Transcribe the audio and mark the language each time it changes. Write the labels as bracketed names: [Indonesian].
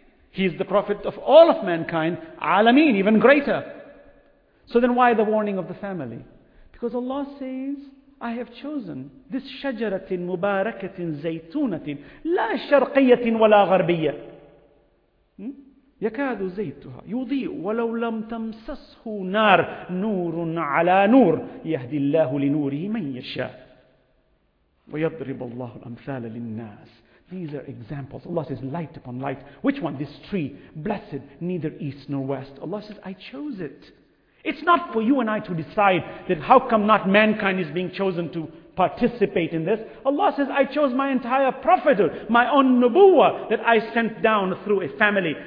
[English] He is the prophet of all of mankind, عالمين, even greater. So then why the warning of the family? Because Allah says, I have chosen this [Arabic] شجرة مباركة زيتونة لا شرقية ولا غربية. يكاد زيتها يضيء ولو لم تمسسه نار نور على نور يهدي الله لنوره من يشاء ويضرب الله الأمثال للناس. [English] These are examples. Allah says, light upon light. Which one? This tree, blessed, neither east nor west. Allah says, I chose it. It's not for you and I to decide that how come not mankind is being chosen to participate in this. Allah says, I chose my entire prophethood, my own nubuwwah that I sent down through a family.